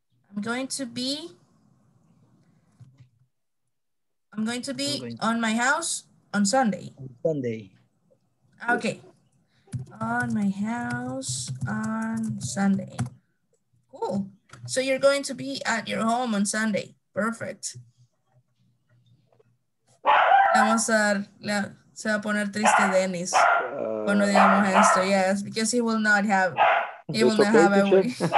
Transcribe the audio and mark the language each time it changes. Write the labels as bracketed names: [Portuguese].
[English] I'm going to be on my house on Sunday. Okay. Yes. On my house on Sunday. Cool. So you're going to be at your home on Sunday. Perfect. [Spanish] Se va a poner triste Dennis cuando digamos esto. [English] Yes, because he will not have a week.